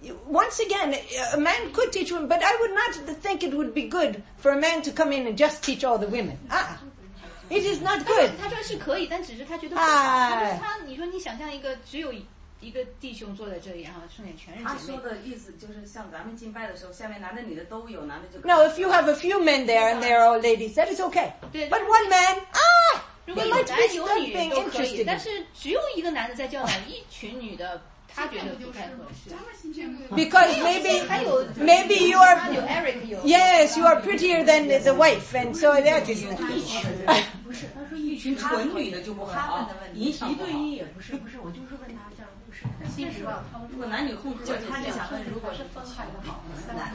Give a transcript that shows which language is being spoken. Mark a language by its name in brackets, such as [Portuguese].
[English] Once again, a man could teach women, but I would not think it would be good for a man to come in and just teach all the women. Ah, it is not good. [Chinese] 他说是可以，但只是他觉得不好。他说他，你说你想象一个只有一个弟兄坐在这里，然后剩下全是姐妹。他说的意思就是像咱们敬拜的时候，下面男的女的都有，男的就。 [English] No, if you have a few men there and they are all ladies, that is okay. [Chinese] 对。 [English] But one man, ah. [Chinese] 如果有男有女都可以，但是只有一个男的在教堂，一群女的，他觉得不太合适。 [English] Because maybe you are Eric, yes, you are prettier than the wife, and so that is. [Chinese] 一群不是，他说一群纯女的就不好，一对一也不是，我就是问他这样故事。其实吧，如果男女混合，就他就想问，如果是分开的好，三男